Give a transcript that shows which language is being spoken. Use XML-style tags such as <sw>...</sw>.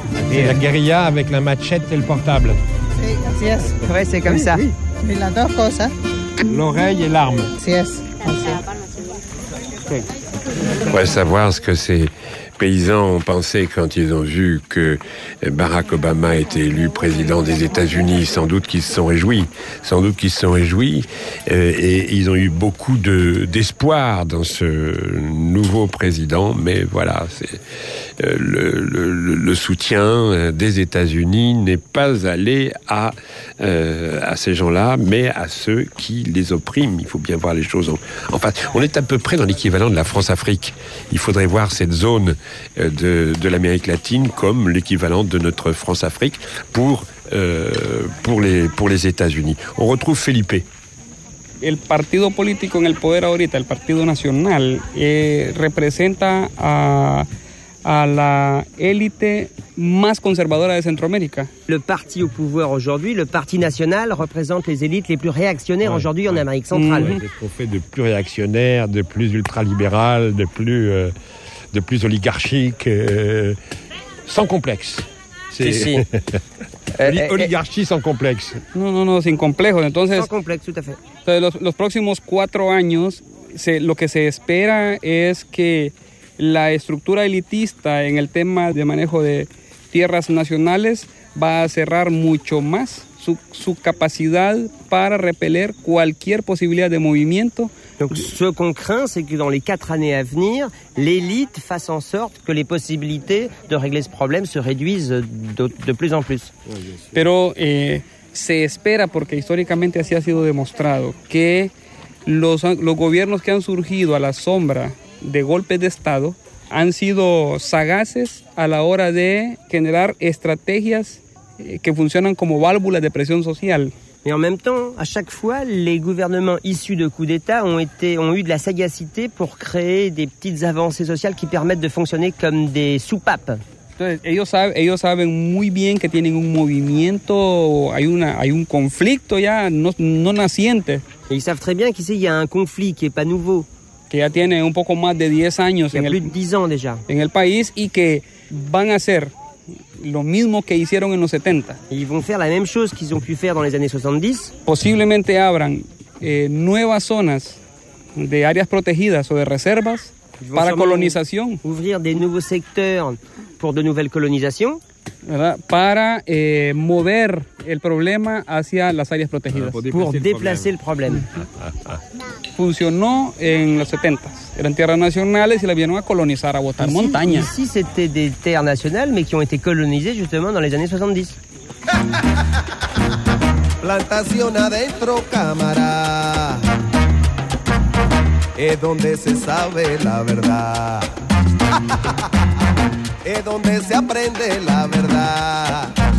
<fr>C'est la guérilla avec la machette et le portable.</fr> <es>Sí, así es.</es> <fr>Ouais, c'est comme ça. Oui.</fr> <es>Y las dos cosas.</es> <fr>L'oreille et l'arme.</fr> <es>Sí, es.</es> <fr>On pourrait savoir ce que ces paysans ont pensé quand ils ont vu que Barack Obama était élu président des États-Unis. Sans doute qu'ils se sont réjouis. Sans doute qu'ils se sont réjouis. Et ils ont eu beaucoup d'espoir dans ce nouveau président. Mais voilà, c'est, le soutien des États-Unis n'est pas allé à ces gens-là, mais à ceux qui les oppriment. Il faut bien voir les choses en face. On est à peu près dans l'équivalent de la France-Afrique. Il faudrait voir cette zone de l'Amérique latine comme l'équivalent de notre France-Afrique pour les États-Unis. On retrouve Felipe.</fr> <es>El partido político en el poder ahorita, el Partido Nacional, representa a la élite más conservadora de Centroamérica.</es> <fr>Le parti au pouvoir aujourd'hui, le Parti National, représente les élites les plus réactionnaires aujourd'hui en Amérique centrale. On fait de plus réactionnaire, de plus ultralibéral, de plus oligarchique, sans complexe. C'est... Si, si. Oligarchie sans complexe.</fr> <es>Non, sin complejo. Entonces,</es> <fr>sans complexe, tout à fait.</fr> <es>Entonces, los próximos cuatro años, lo que se espera es que la estructura elitista en el tema de manejo de tierras nacionales va a cerrar mucho más su capacidad para repeler cualquier posibilidad de movimiento.</es> <fr>Donc, ce qu'on craint, c'est que dans les quatre années à venir, l'élite fasse en sorte que les possibilités de régler ce problème se réduisent de plus en plus.</fr> <es>Pero se espera, porque históricamente así ha sido demostrado, que los gobiernos que han surgido a la sombra de golpes de Estado han sido sagaces a la hora de generar estrategias que funcionan como válvulas de presión social.</es> <fr>Et en même temps, à chaque fois, les gouvernements issus de coups d'État ont eu de la sagacité pour créer des petites avancées sociales qui permettent de fonctionner comme des soupapes.</fr> <es>Entonces, ellos saben muy bien que tienen un movimiento, hay un conflicto ya no naciente.</es> <fr>Et ils savent très bien qu'ici il y a un conflit qui est pas nouveau.</fr> <es>Que ya tiene un poco más de 10 años en el,</es> <fr>plus de 10 ans déjà.</fr> <es>En el país y que van a hacer lo mismo que hicieron en los 70.</es> <fr>Ils vont faire la même chose qu'ils ont pu faire dans les années 70.</fr> <es>Posiblemente abran nuevas zonas de áreas protegidas o de reservas para colonización.</es> <fr>Ouvrir des nouveaux secteurs pour de nouvelles colonisations.</fr> <es>¿Verdad? Para mover el problema hacia las áreas protegidas.</es> <fr>Pour déplacer le problème.</fr> <es>Funcionó en los 70. Eran tierras nacionales y las vinieron a colonizar, a botar montañas.</es> <fr>Sí, c'était des terres nationales, mais qui ont été colonisées justement dans les années 70.</fr> <es>Plantación adentro, cámara. Es donde se sabe la verdad. Es donde se aprende la verdad.</es>